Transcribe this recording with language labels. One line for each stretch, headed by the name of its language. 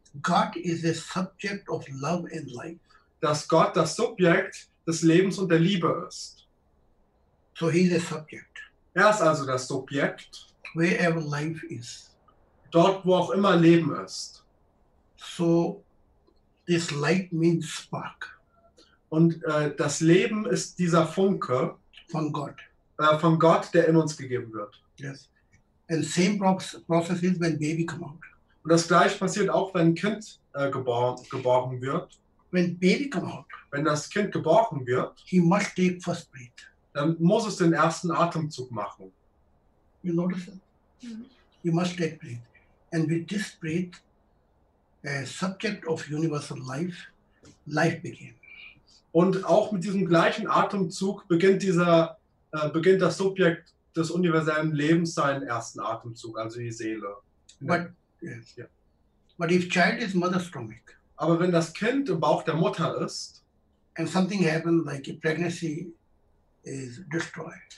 English: God is a subject of love and life.
German: Dass Gott das Subjekt des Lebens und der Liebe ist.
English: So he is a subject.
German: Er ist also das Subjekt.
English: Wherever life is.
German: Dort, wo auch immer Leben ist.
English: So, this light means spark.
German: Und das Leben ist dieser Funke von Gott. Von Gott, der in uns gegeben wird.
English: Yes. And same process is when baby come out.
German: Und das gleiche passiert auch, wenn ein Kind geboren wird.
English: When baby come out.
German: Wenn das Kind geboren wird.
English: He must take first breath.
German: Dann muss es den ersten Atemzug machen.
English: You notice it? You must take breath. And with this breath, a subject of universal life, life begins.
German: Und auch mit diesem gleichen Atemzug beginnt das Subjekt des universellen Lebens seinen ersten Atemzug, also die Seele.
English: But, yes. Yeah. But if child is mother's stomach.
German: Aber wenn das Kind im Bauch der Mutter ist.
English: And something happens like a pregnancy. Is destroyed.